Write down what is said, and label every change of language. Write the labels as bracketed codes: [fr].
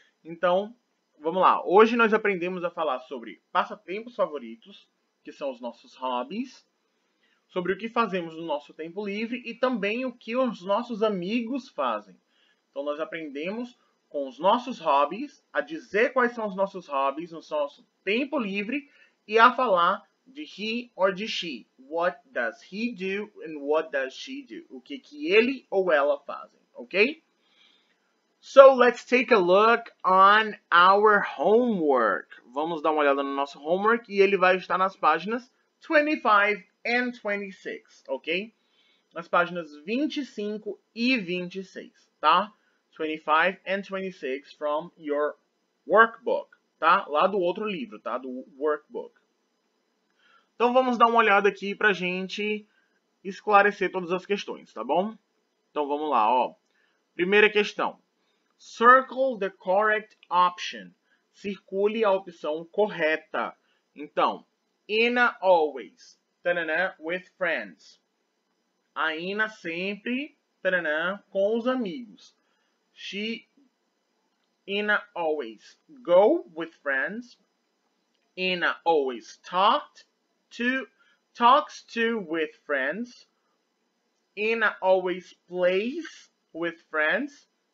[pt] Então, vamos lá. Hoje nós aprendemos a falar sobre passatempos favoritos, que são os nossos hobbies, sobre o que fazemos no nosso tempo livre e também o que os nossos amigos fazem. Então, nós aprendemos com os nossos hobbies, a dizer quais são os nossos hobbies no nosso tempo livre e a falar de he or de she. [en] What does he do and what does she do? [pt] O que, que ele ou ela fazem, ok? [en] So, let's take a look on our homework. [pt] Vamos dar uma olhada no nosso homework e ele vai estar nas páginas 25 and 26, ok? Nas páginas 25 e 26, tá? [en] 25 and 26 from your workbook, tá? [pt] Lá do outro livro, tá? Do workbook. Então, vamos dar uma olhada aqui pra gente esclarecer todas as questões, tá bom? Então, vamos lá, ó. Primeira questão. [en] Circle the correct option. [pt] Circule a opção correta. [en] Então, Ina always, tanana, with friends. [pt] A Ina sempre, tanana, com os amigos. [en] She, Ina always go with friends. Ina always talks to with friends. Ina always plays with friends.